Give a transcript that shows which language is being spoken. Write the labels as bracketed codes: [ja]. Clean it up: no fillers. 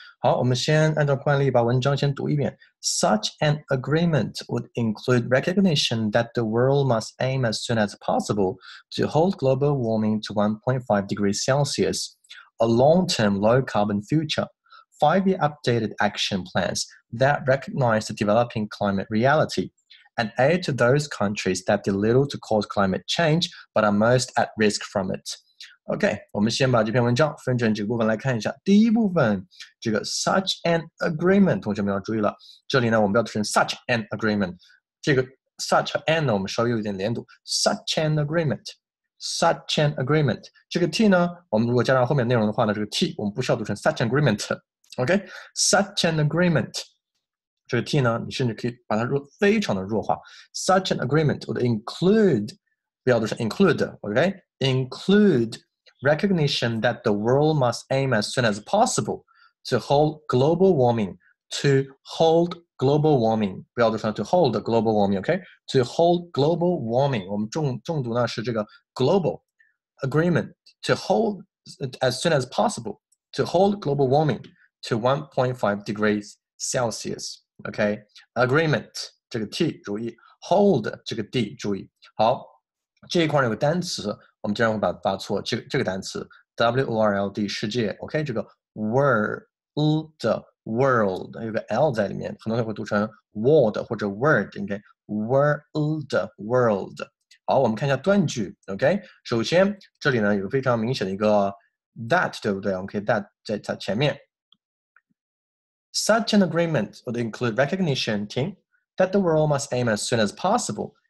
[zh] 好，我们先按照惯例把文章先读一遍。 [en] Such an agreement would include recognition that the world must aim as soon as possible to hold global warming to 1.5 degrees Celsius, a long-term low-carbon future, five-year updated action plans that recognize the developing climate reality, and aid to those countries that did little to cause climate change but are most at risk from it. [zh] OK， 我们先把这篇文章分成几个部分来看一下。第一部分，这个 [en] such an agreement， [zh] 同学们要注意了，这里呢我们不要读成 [en] such an [zh] agreement， 这个 such an 呢我们稍微有点连读 ，such an agreement，such an agreement， 这个 t 呢，我们如果加上后面内容的话呢，这个 t 我们不需要读成 such an agreement。 OK，such an agreement。这个 T 呢，你甚至可以把它弱，非常的弱化。 [en] Such an agreement would include， [zh] 不要读成 [en] include，OK？Include recognition that the world must aim as soon as possible to hold global warming. To hold global warming， [zh] 不要读成 [en] to hold global warming，OK？、Okay? To hold global warming， [zh] 我们重读呢是这个 [en] global agreement to hold as soon as possible to hold global warming to 1.5 degrees Celsius。 [zh] Okay, agreement 这个 T 注意 ，hold 这个 D 注意。好，这一块有个单词，我们经常会把它发错。这个单词 world 世界 ，OK， 这个 world 有个 L 在里面，很多人会读成 world 或者 word， 应该 world。好，我们看一下断句 ，OK， 首先这里呢有个非常明显的一个 that， 对不对？我们可以 that 在它前面。 [en] Such an agreement would include recognition, 听, that the world must aim as soon as possible.